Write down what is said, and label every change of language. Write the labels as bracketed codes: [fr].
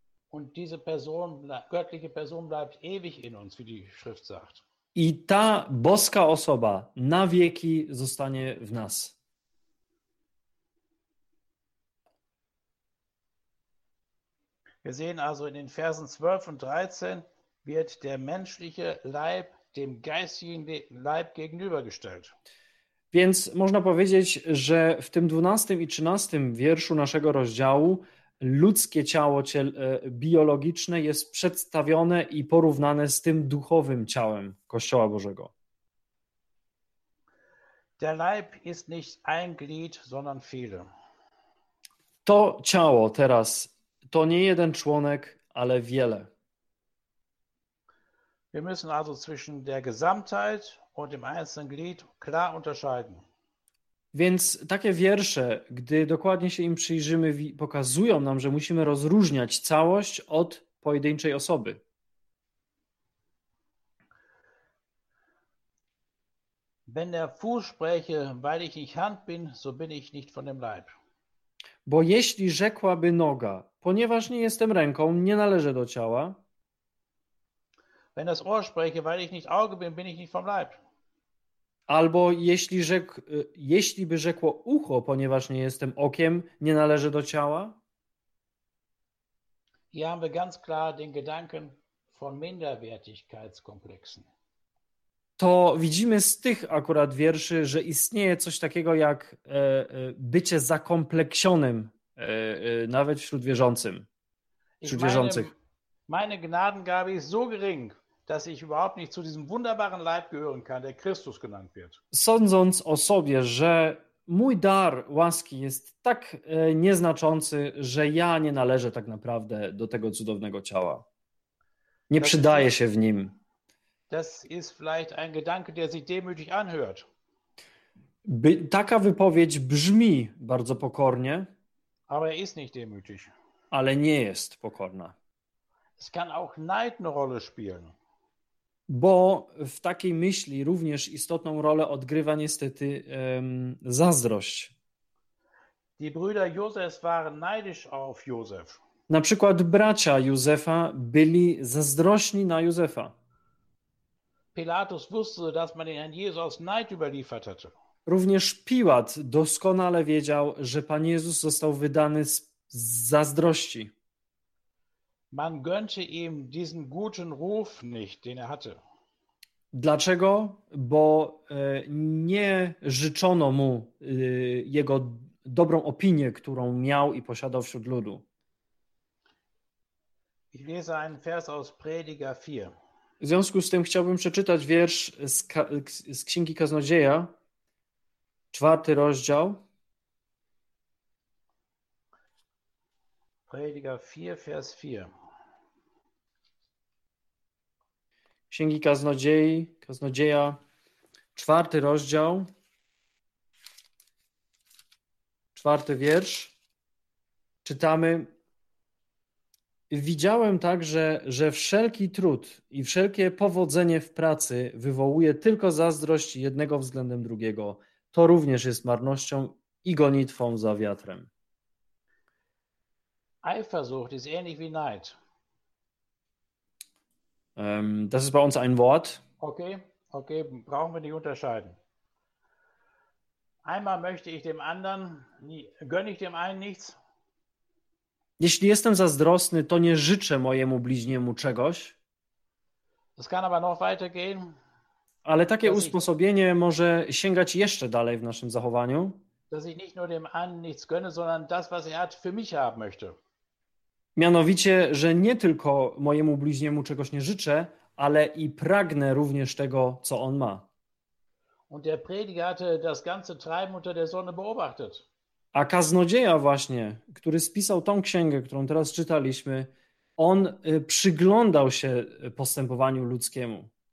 [de] Und diese Person, göttliche Person bleibt ewig in uns, wie die Schrift sagt. [pl] I ta boska osoba na wieki zostanie w nas. [de] Wir sehen also in den Versen 12 und 13 wird der menschliche Leib dem geistigen Leib gegenübergestellt. [pl] Więc można powiedzieć, że w tym 12 i 13 wierszu naszego rozdziału ludzkie ciało biologiczne jest przedstawione i porównane z tym duchowym ciałem Kościoła Bożego. [de] Der Leib ist nicht ein Glied, sondern viele. [pl] To ciało teraz to nie jeden członek, ale wiele. [de] Wir müssen also zwischen der Gesamtheit und dem einzelnen Glied klar unterscheiden. [pl] Więc takie wiersze, gdy dokładnie się im przyjrzymy, pokazują nam, że musimy rozróżniać całość od pojedynczej osoby. [de] Wenn der Fuß spreche, weil ich nicht Hand bin, so bin ich nicht von dem Leib. [pl] Bo jeśli rzekłaby noga, ponieważ nie jestem ręką, nie należę do ciała. [de] Wenn das Ohr spreche, weil ich nicht Auge bin, bin ich nicht vom Leib. [pl] Albo jeśli by rzekło ucho, ponieważ nie jestem okiem, nie należę do ciała. [de] Hier haben wir ganz klar den Gedanken von Minderwertigkeitskomplexen. [pl] To widzimy z tych akurat wierszy, że istnieje coś takiego jak bycie zakompleksionym nawet wśród wierzącym, wśród wierzących. [de] Meine Gnadengabe ist so gering, dass ich überhaupt nicht zu diesem wunderbaren Leib gehören kann, der Christus genannt wird. [pl] Sądząc o sobie, że mój dar łaski jest tak nieznaczący, że ja nie należę tak naprawdę do tego cudownego ciała. Nie przydaje się w nim. [de] Das ist vielleicht ein Gedanke, der sich demütig anhört. [pl] Taka wypowiedź brzmi bardzo pokornie. [de] Aber er ist nicht demütig. [pl] Ale nie jest pokorna. [de] Es kann auch Neid eine Rolle spielen. [pl] Bo w takiej myśli również istotną rolę odgrywa niestety zazdrość. [de] Die Brüder Josef waren neidisch auf Josef. [pl] Na przykład bracia Józefa byli zazdrośni na Józefa. [de] Pilatus wusste, dass man den Herrn Jesus Neid überliefert hatte. [pl] Również Piłat doskonale wiedział, że Pan Jezus został wydany z zazdrości. [de] Man gönnte ihm diesen guten Ruf nicht, den er hatte. [pl] Dlaczego? Bo nie życzono mu jego dobrą opinię, którą miał i posiadał wśród ludu. [de] Ich lese einen Vers aus Prediger 4. [pl] W związku z tym chciałbym przeczytać wiersz z Księgi Kaznodzieja, 4 rozdział. [de] Prediger 4, Vers 4. [pl] Księgi Kaznodzieja, 4 rozdział, 4 wiersz. Czytamy. Widziałem także, że wszelki trud i wszelkie powodzenie w pracy wywołuje tylko zazdrość jednego względem drugiego. To również jest marnością i gonitwą za wiatrem. [de] Eifersucht ist ähnlich wie Neid. Das ist bei uns ein Wort. Okay, brauchen wir nicht unterscheiden. Einmal möchte ich dem anderen, gönne ich dem einen nichts. [pl] Jeśli jestem zazdrosny, to nie życzę mojemu bliźniemu czegoś. [de] Das kann aber noch weiter gehen. [pl] Ale takie usposobienie może sięgać jeszcze dalej w naszym zachowaniu. [de] Dass ich nicht nur dem anderen nichts gönne, sondern das, was er hat, für mich haben möchte. [pl] Mianowicie, że nie tylko mojemu bliźniemu czegoś nie życzę, ale i pragnę również tego, co on ma. [de] Und der Prediger hatte das ganze Treiben unter der Sonne beobachtet. [pl] A kaznodzieja właśnie, który spisał tą księgę, którą teraz czytaliśmy, on przyglądał się postępowaniu ludzkiemu.